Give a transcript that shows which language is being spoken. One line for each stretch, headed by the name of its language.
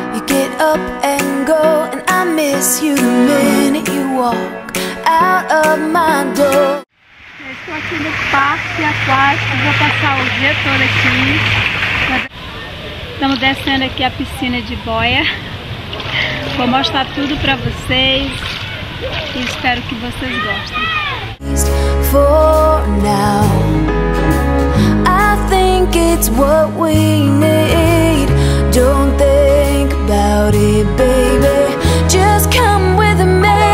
English: You get up and go, and I miss you the minute you walk out of my door.
Portuguese: Estou aqui no parque aquático, vou passar o dia todo aqui. Estamos descendo aqui a piscina de boia. Vou mostrar tudo para vocês e espero que vocês gostem.
English: For now, I think it's what we need. Don't think about it, baby. Just come with me.